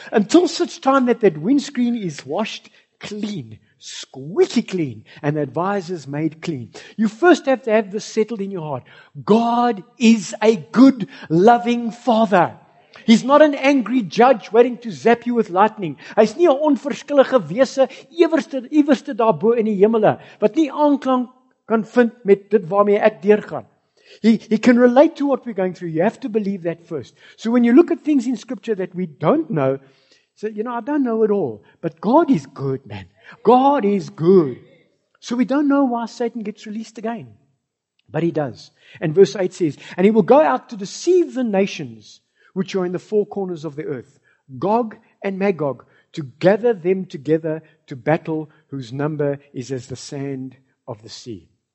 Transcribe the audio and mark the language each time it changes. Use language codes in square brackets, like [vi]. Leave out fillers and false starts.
[en] Until such time that that windscreen is washed clean, squeaky clean, and the advisors made clean. You first have to have this settled in your heart. God is a good, loving Father. He's not an angry judge waiting to zap you with lightning. [af] Hy's nie 'n onverskillige wese iewerste daarbo in die hemel wat nie aanklank kan vind met dit waarmee ek deurgaan. [en] He can relate to what we're going through. You have to believe that first. So when you look at things in Scripture that we don't know, say, you know, I don't know it all. But God is good, man. God is good. So we don't know why Satan gets released again. But he does. And verse 8 says, and he will go out to deceive the nations which are in the four corners of the earth, Gog and Magog, to gather them together to battle whose number is as the sand of the sea.